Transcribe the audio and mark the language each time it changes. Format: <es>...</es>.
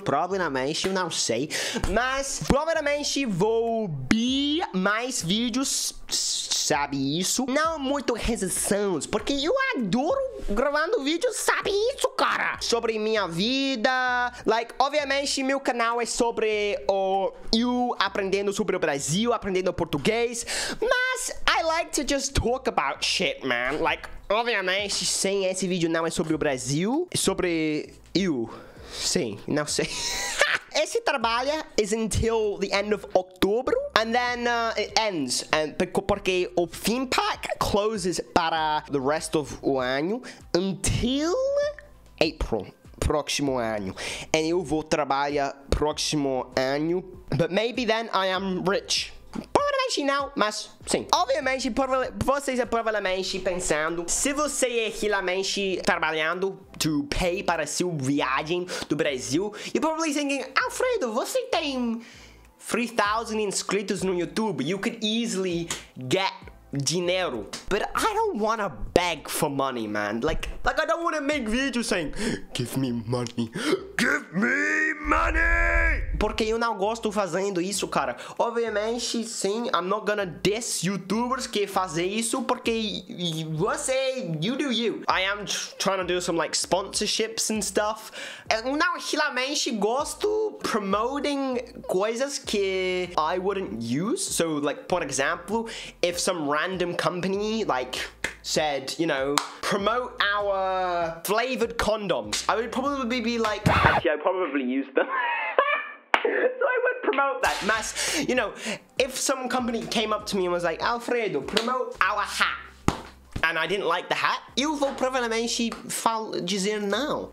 <pt>Provavelmente, eu não sei. Mas provavelmente vou be mais vídeos, sabe isso? Não muito resistentes, porque eu adoro gravando vídeos, sabe isso, cara? Sobre minha vida. Like, obviamente, meu canal é sobre eu aprendendo sobre o Brasil, aprendendo português.</pt> <en>Mas I like to just talk about shit, man.</en> <pt>Like, obviamente, sim, esse vídeo não é sobre o Brasil. É sobre eu. Sim, não sei. esse trabalho</pt> <en>is until the end of October, and then it ends,</en> <pt>porque o</pt> <en>theme park closes para the rest of o ano until April.</en> <pt>Próximo ano.</pt> <en>And</en> <pt>eu vou trabalhar próximo ano.</pt> <en>But maybe then I am rich.</en> <pt>Provavelmente não, mas sim. Obviamente, vocês estão provavelmente pensando, se você é realmente trabalhando</pt> <en>to pay</en> <pt>para sua viagem do Brasil,</pt> <en>you're probably thinking,</en> <pt>Alfredo, você tem 3,000 inscritos no YouTube.</pt> <en>You could easily get dinheiro. But I don't wanna beg for money, man. Like I don't wanna make videos saying, give me money. Give me money!</en> <pt>Porque eu não gosto fazendo isso, cara. Obviamente, sim,</pt> <en>I'm not gonna diss YouTubers</en> <pt>que fazem isso, porque você,</pt> <en>you do you. I am trying to do some, like, sponsorships and stuff.</en> <pt>Eu não realmente gosto</pt> <en>promoting</en> <pt>coisas que</pt> <en>I wouldn't use. So, like,</en> <pt>por exemplo,</pt> <en>if some random company, like, said, you know, promote our flavored condoms, I would probably be like, yeah, I probably used them. So I would promote that. Mas, you know, if some company came up to me and was like, Alfredo, promote our hat, and I didn't like the hat,</en> <pt>eu vou provavelmente dizer não.</pt>